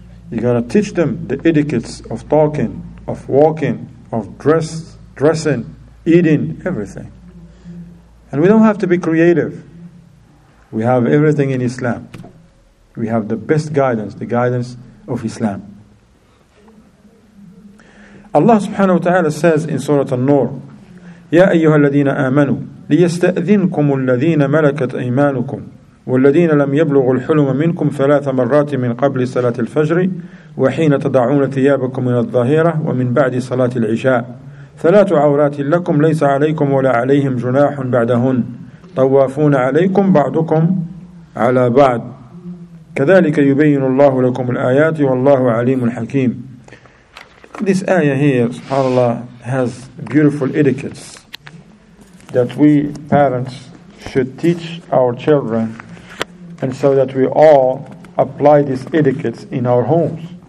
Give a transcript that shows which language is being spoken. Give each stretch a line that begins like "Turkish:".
English: You gotta teach them the etiquettes of talking, of walking, of dressing, eating, everything. And we don't have to be creative. We have everything in Islam. We have the best guidance, the guidance of Islam. Allah subhanahu wa ta'ala says in Surah An-Nur,
Arabic: يَا أَيُّهَا الَّذِينَ آمَنُوا لِيَسْتَأْذِنْكُمُ الَّذِينَ مَلَكَتْ أَيْمَانُكُمْ وَالَّذِينَ لَمْ يَبْلُغُوا الْحُلُمَ مِنْكُمْ ثَلَاثَ مَرَّاتٍ مِنْ قَبْلِ صَلَاةِ الْفَجْرِ وَحِينَ تَضَعُونَ ثِيَابَكُمْ مِنَ الظَّهِيرَةِ وَمِنْ بَعْدِ صَلَاةِ الْعِشَاءِ ثَلَاثُ عَوْرَاتٍ لَكُمْ لَيْسَ عَلَيْكُمْ وَلَا عَلَيْهِمْ جُنَاحٌ بَعْدَهُنْ طَوَّافُونَ عَلَيْكُمْ بَعْضُكُمْ عَلَى بَعْضٍ كَذَلِكَ يُبَيِّنُ اللَّهُ لَكُمُ الْآيَاتِ وَاللَّهُ عَلِيمٌ حَكِيمٌ.
English: This ayah here, subhanAllah, has beautiful etiquettes that we parents should teach our children, and so that we all apply these etiquettes in our homes.